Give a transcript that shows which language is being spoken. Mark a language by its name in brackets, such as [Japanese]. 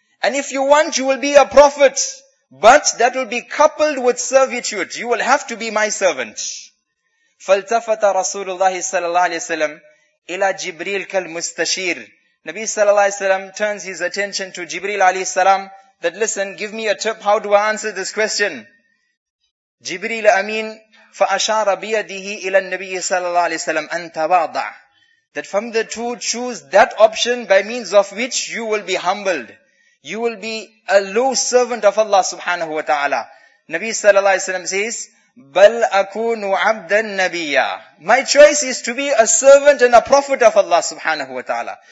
[English] And if you want, you will be a prophet. But that will be coupled with servitude. You will have to be my servant. [Arabic] فَالْتَفَتَ رَسُولُ اللَّهِ صَلَى اللَّهِ عَلَيْهِ وَسَلَمْ إِلَى جِبْرِيلْ كَالْمُسْتَشِيرِ. [English] Nabi sallallahu alayhi wa sallam turns his attention to Jibreel alayhi salam. That listen, give me a tip, how do I answer this question? [Arabic] Jibreel Amin, فَأَشَارَ بِيَدِهِ إِلَى النَّبِيِّ صَلَى اللَّهِ عَلَيْهِ وَسَلَمْ أَنْ تَوَاضَعْ. [English] That from the two, choose that option by means of which you will be humbled. You will be a low servant of Allah subhanahu wa ta'ala. Nabi sallallahu alayhi wa sallam says, [Arabic] بَلْ أَكُونُ عَبْدًا نَبِيًّا. [English] My choice is to be a servant and a prophet of Allah subhanahu wa ta'ala.